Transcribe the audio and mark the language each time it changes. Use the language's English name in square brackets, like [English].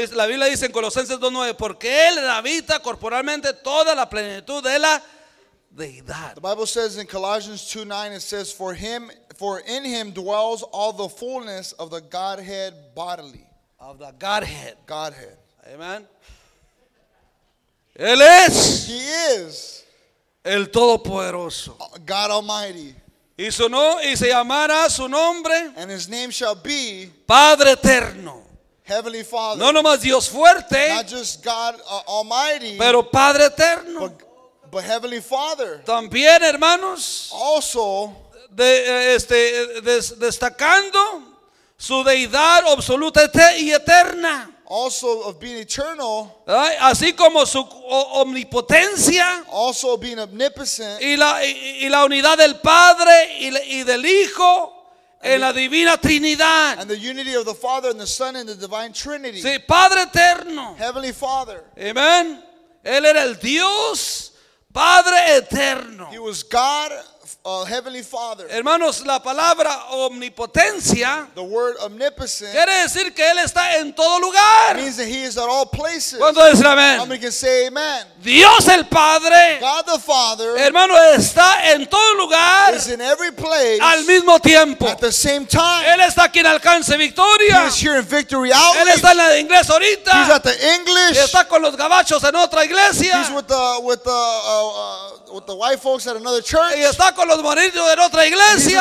[Spanish] La Biblia dice en Colosenses 2:9, porque él habita corporalmente toda la plenitud de la Deidad. [English] The Bible says in Colossians 2:9, it says, For in him dwells all the fullness of the Godhead bodily. Of the Godhead. Godhead. [Spanish] Amen. Él es. [English] He is. [Spanish] El Todopoderoso. [English] God Almighty. [Spanish] Y su no, y se llamará su nombre. [English] And his name shall be. [Spanish] Padre Eterno. [English] Heavenly Father. [Spanish] No nomás Dios fuerte. [English] Not just God Almighty. [Spanish] Pero Padre Eterno. [English] But Heavenly Father. [Spanish] También hermanos. [English] Also. [Spanish] Destacando su deidad absoluta y eterna. [English] Also of being eternal. [Spanish] Así como su omnipotencia. [English] Also being omnipotent. [Spanish] Y la unidad del Padre y del Hijo en la divina Trinidad. [English] And the unity of the Father and the Son in the divine Trinity. [Spanish] Sí, Padre Eterno. [English] Heavenly Father. [Spanish] Amen. Él era el Dios Padre Eterno. [English] He was God Heavenly Father. [Spanish] Hermanos, la palabra omnipotencia, [English] the word omnipotence, [Spanish] quiere decir que él está en todo lugar. [English] Means that he is at all places. [Spanish] ¿Cuánto dice amén? [English] How many can say amen? [Spanish] Dios el Padre, [English] God the Father, [Spanish] hermano, está en todo lugar, [English] is in every place, [Spanish] al mismo tiempo, [English] at the same time. [Spanish] Él está aquí en Alcance Victoria. [English] He is here in Victory Outreach. [Spanish] Él está en la de inglés ahorita. [English] He's at the English. [Spanish] Está con los gabachos en otra iglesia. [English] He's with the white folks at another church. [Spanish] Y está con los morenos en otra iglesia.